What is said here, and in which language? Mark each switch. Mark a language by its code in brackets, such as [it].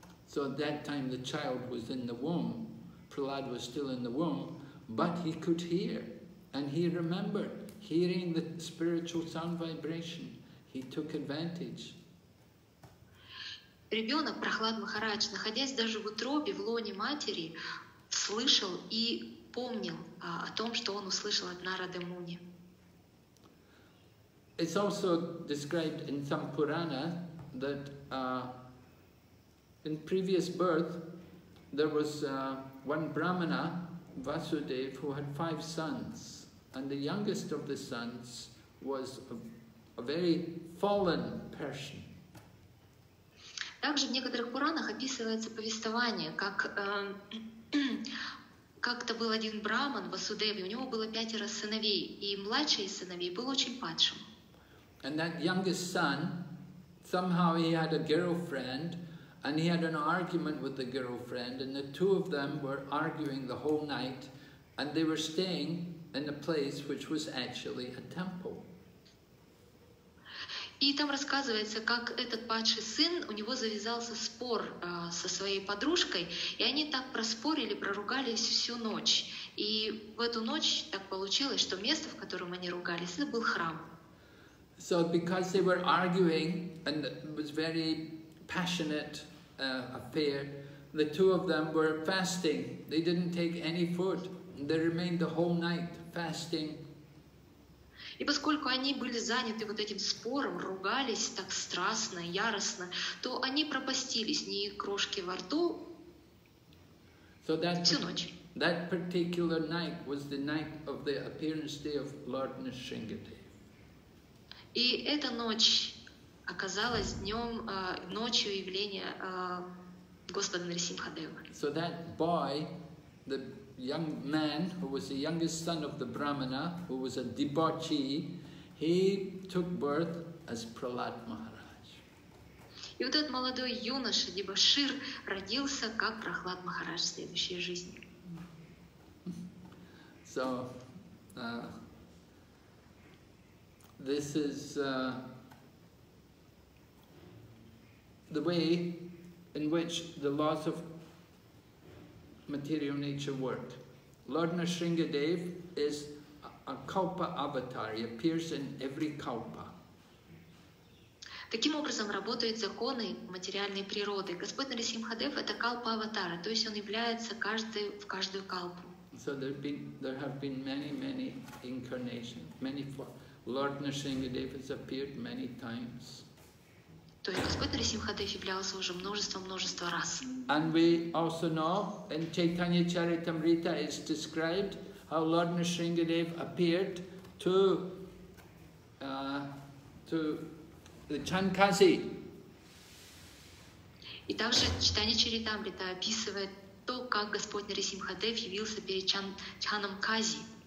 [en] So at that time the child was in the womb, Prahlad was still in the womb, but he could hear, and he remembered hearing the spiritual sound vibration. He took advantage. [ru] Ребенок Прахлад Махарадж, находясь даже в утробе, в лоне матери, слышал и помнил о том, что он услышал от Нарады Муни. [en] It's also described in some Purana that in previous birth there was one Brahmana, Vasudev, who had five sons, and the youngest of the sons was a very fallen person. [ru] Также в некоторых Пуранах описывается повествование, как как-то был один Брахман, Васудев, и у него было пятеро сыновей, и младший из сыновей был очень падшим. [en] And that youngest son, somehow he had a girlfriend, and he had an argument with the girlfriend, and the two of them were arguing the whole night, and they were staying in a place which was actually a temple. [ru] И там рассказывается, как этот падший сын, у него завязался спор со своей подружкой, и они так проспорили, проругались всю ночь. И в эту ночь так получилось, что место, в котором они ругались, это был храм. [en] So because they were arguing and it was very passionate affair, the two of them were fasting. They didn't take any food. They remained the whole night fasting. [ru] И поскольку они были заняты вот этим спором, ругались так страстно, яростно, то они пропастились ни крошки во рту всю ночь. [en] That particular night was the night of the appearance day of Lord Nrisimhadev. [ru] И эта ночь оказалась днем, ночью явления Господа Нрисимхадева. [en] So that boy, the young man who was the youngest son of the Brahmana, who was a debauchee, he took birth as Prahlad Maharaj. [ru] И вот этот молодой юноша, дебошир, родился как Прохлад Махарадж в следующей жизни. [en] So, this is the way in which the laws of material nature work. Lord Nrisimhadev is a kalpa avatar. He appears in every kalpa. [ru] Таким образом работают законы материальной природы. Господь Нрисимхадев — это калпа аватара, то есть он является каждый в каждую калпу. [en] So there have been many incarnations, many forms. Lord Nrisimhadev has appeared many times. [ru] То есть Господь Нрисимхадев являлся уже множество раз. [en] And we also know in Chaitanya Charitamrita is described how Lord Nrisimhadev appeared to the Chankasi. [ru] И также Chaitanya Charitamrita описывает то, как Господь Нрисимхадев явился перед Чанкази.